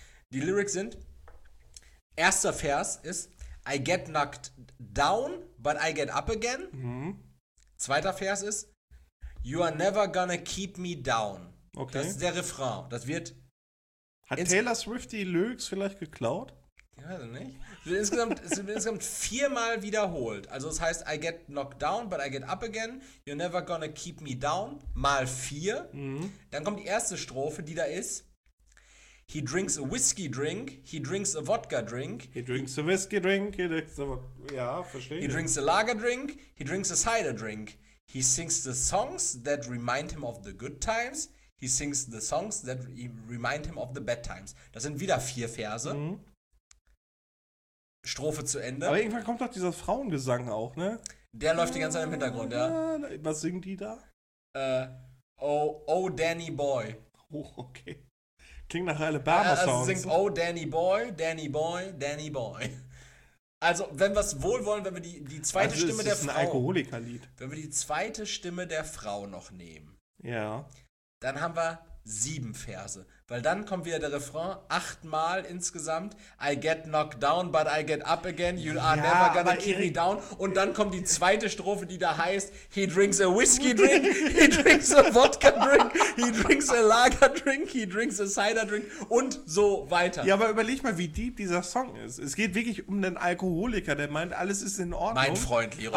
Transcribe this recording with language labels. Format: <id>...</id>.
<de>Die Lyrics sind, erster Vers ist,</de> <en>I get knocked down, but I get up again. Mhm.</en> <de>Zweiter Vers ist,</de> <en>you are never gonna keep me down. Okay.</en> <de>Das ist der Refrain. Das wird. Hat Taylor Swift die Lyrics vielleicht geklaut? Ich weiß nicht. Es wird insgesamt viermal wiederholt. Also es heißt,</de> <en>I get knocked down, but I get up again. You're never gonna keep me down.</en> <de>Mal 4. Mhm. Dann kommt die erste Strophe, die da ist.</de> <en>He drinks a whiskey drink, he drinks a vodka drink. He drinks a whiskey drink, he drinks a vodka.</en> <de>Ja, verstehe.</de> <en>He drinks a lager drink, he drinks a cider drink. He sings the songs that remind him of the good times. He sings the songs that remind him of the bad times.</en> <de>Das sind wieder 4 Verse. Mhm. Strophe zu Ende. Aber irgendwann kommt doch dieser Frauengesang auch, ne? Der läuft die ganze Zeit im Hintergrund, ja. Was singen die da? Oh Danny Boy. Oh, okay. Klingt nach Alabama-Songs. Also singt Oh Danny Boy, Danny Boy, Danny Boy. Also, wenn wir es wohl wollen, wenn wir die zweite also, Stimme der Frau... Das ist ein Alkoholikerlied. Wenn wir die zweite Stimme der Frau noch nehmen. Ja. Dann haben wir 7 Verse. Weil dann kommt wieder der Refrain, 8-mal insgesamt.</de> <en>I get knocked down, but I get up again. You are never gonna keep me down.</en> <de>Und dann kommt die zweite Strophe, die da heißt,</de> <en>he drinks a whiskey drink, he drinks a vodka drink, he drinks a lager drink, he drinks a cider drink</en> <de>und so weiter. Ja, aber überleg mal, wie deep dieser Song ist. Es geht wirklich um den Alkoholiker, der meint, alles ist in Ordnung. Mein Freund, Leroy.</de>